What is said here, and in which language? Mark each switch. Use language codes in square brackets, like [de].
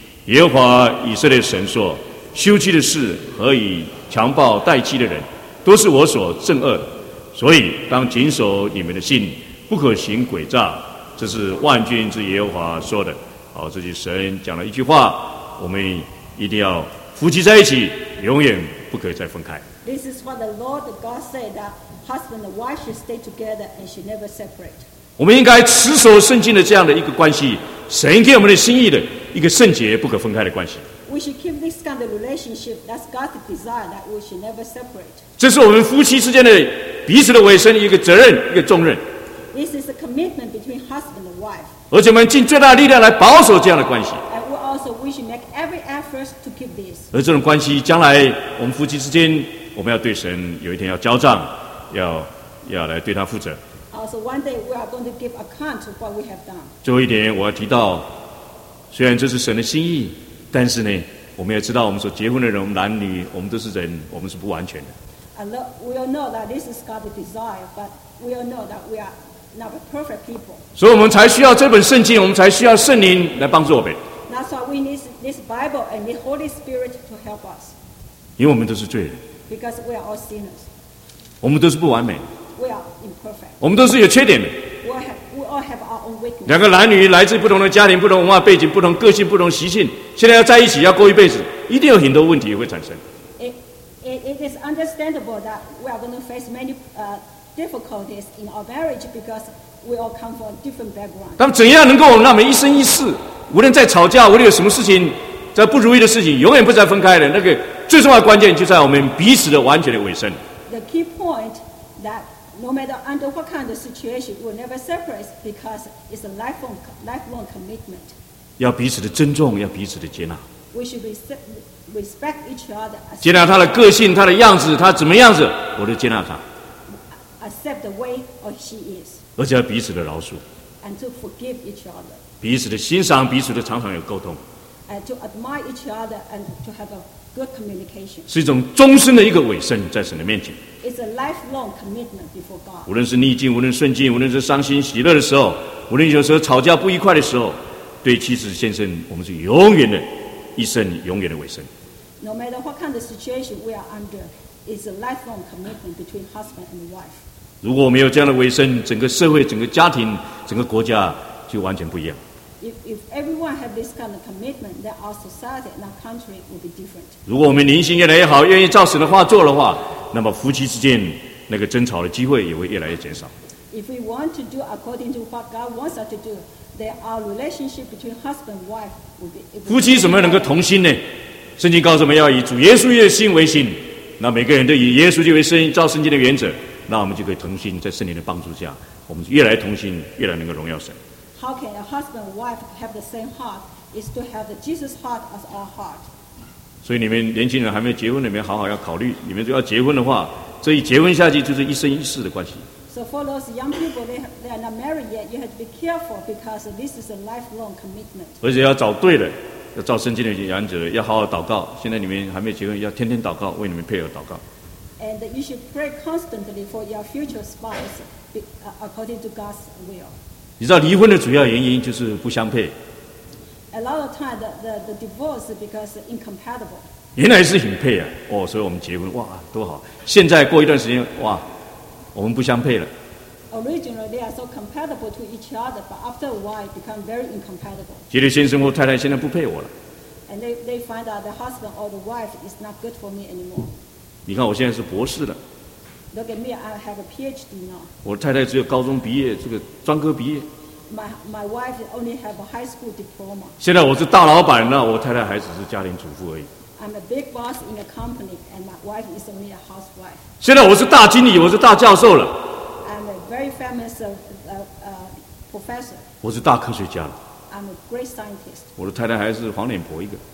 [zh] 耶和华以色列神说，休妻的事何以强暴待妻的人，都是我所憎恶，所以当谨守你们的信，不可行诡诈。这是万军之耶和华说的。好，这就是神讲了一句话，我们一定要夫妻在一起，永远不可以再分开。 [en] This is what the Lord God said that husband and wife should stay together and should never separate. [zh] 我们应该持守圣经的这样的一个关系，神给我们的心意的一个圣洁不可分开的关系。 [en] We should keep this kind of relationship. That's God's desire that we should never separate. [zh] 这是我们夫妻之间的彼此的委身一个责任，一个重任。 [en] This is a commitment between husband and wife. [zh] 而且我们尽最大力量来保守这样的关系。 [en] And we also wish to make every effort to keep this. [zh] 而这种关系将来我们夫妻之间，我们要对神有一天要交账，要来对他负责。 [en] Also, one day we are going to give account of what we have done. [zh] 最后一点我要提到，虽然这是神的心意，但是呢，我们也知道我们所结婚的人，我们男女，我们都是人，我们是不完全的。 [en] And we all know that this is God's desire, but we all know that we are. Not perfect people. [zh] 所以我们才需要这本圣经，我们才需要圣灵来帮助我们。 [en] That's why we need this Bible and the Holy Spirit to help us. [zh] 因为我们都是罪人。 [en] Because we are all sinners. [zh] 我们都是不完美。 [en] We are imperfect. [zh] 我们都是有缺点的。 [en] We all have our own weakness. [zh] 两个男女来自不同的家庭、不同文化背景、不同个性、不同习性，现在要在一起，要过一辈子，一定有很多问题会产生。 [en] It is understandable that we are going to face many. Difficulties in our marriage because we all come from different backgrounds. [zh] 但怎样能够让我们一生一世，无论在吵架，无论有什么事情，在不如意的事情，永远不再分开的？那个最重要的关键就在我们彼此的完全的委身。 [en] The key point that no matter under what kind of situation, we'll never separate because it's a lifelong commitment. [zh] 要彼此的尊重，要彼此的接纳。 [en] We should respect each other. [zh] 接纳他的个性，他的样子，他怎么样子，我都接纳他。 [en] Accept the way or she is, [zh] 而且要彼此的饶恕 [en] and to forgive each other, [zh] 彼此的欣赏，彼此的常常有沟通 [en] and to admire each other and to have a good communication. [zh] 是一种终身的一个委身在神的面前。 [en] It's a lifelong commitment before God. [zh] 无论是逆境，无论顺境，无论是伤心喜乐的时候，无论有时候吵架不愉快的时候，对妻子先生，我们是永远的一生，永远的委身。 [en] No matter what kind of situation we are under, it's a lifelong commitment between husband and wife. [zh] 如果我们有这样的委身，整个社会、整个家庭、整个国家就完全不一样。 [en] If everyone had this kind of commitment, then our society and our country would be different. [zh] 如果我们灵性越来越好，愿意照神的话做的话，那么夫妻之间那个争吵的机会也会越来越减少。 [en] If we want to do according to what God wants us to do, then our relationship between husband and wife would be. [zh] 夫妻怎么能够同心呢？圣经告诉我们要以主耶稣的心为心。那每个人都以耶稣为心，照圣经的原则，那我们就可以同心，在圣灵的帮助下，我们越来同心，越来能够荣耀神。 [en] How can a husband and wife have the same heart? Is to have the Jesus heart as our heart. [zh] 所以你们年轻人还没结婚，你们好好要考虑。你们就要结婚的话，这一结婚下去就是一生一世的关系。 [en] So for those young people, they are not married yet. You have to be careful because this is a lifelong commitment. [zh] 而且要找对的，要照圣经的原则，要好好祷告。现在你们还没结婚，要天天祷告，为你们配偶祷告。 [en] And you should pray constantly for your future spouse according to God's will. [zh] 你知道离婚的主要原因就是不相配。 [en] A lot of time, the divorce is because incompatible. [zh] 原来是很配啊，哦，所以我们结婚，哇，多好。现在过一段时间，哇，我们不相配了。 [en] Originally they are so compatible to each other, but after a while it become very incompatible. [zh] 觉得先生或太太现在不配我了。 [en] And they find out the husband or the wife is not good for me anymore. [zh] 你看我现在是博士了。 [en] Look at me, I have a PhD now. [zh] 我太太只有高中毕业，这个专科毕业。 [en] My wife only have a high school diploma. [zh] 现在我是大老板了，我太太还只是家庭主妇而已。 [en] I'm a big boss in a company, and my wife is only a housewife. [zh] 现在我是大经理，我是大教授了。 [en] I'm a very famous professor. [zh] 我是大科学家了。 [en] I'm a great scientist. [zh] 我的太太还是黄脸婆一个。